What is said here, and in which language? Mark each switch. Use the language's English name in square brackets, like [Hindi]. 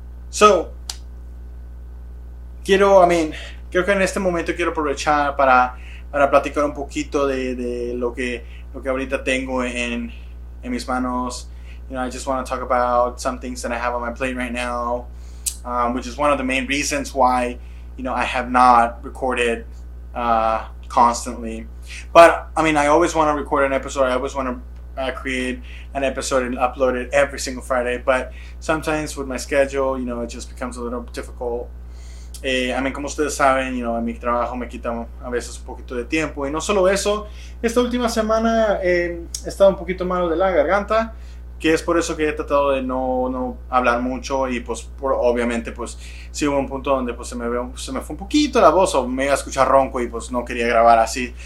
[Spanish] So, creo que en este momento quiero aprovechar para platicar un poquito de lo que ahorita tengo en mis manos. [English] You know, I just want to talk about some things that I have on my plate right now, which is one of the main reasons why, you know, I have not recorded constantly. But I mean, I always want to record an episode, I always want to create an episode and upload it every single Friday, but sometimes with my schedule, you know, it just becomes a little difficult. I mean, [Spanish] como ustedes saben, [English] you know, [Spanish] mi trabajo me quita a veces un poquito de tiempo, y no solo eso, esta última semana he estado un poquito malo de la garganta, que es por eso que he tratado de no hablar mucho, y pues obviamente sí hubo un punto donde pues se me fue un poquito la voz, o me iba a escuchar ronco, y pues no quería grabar así.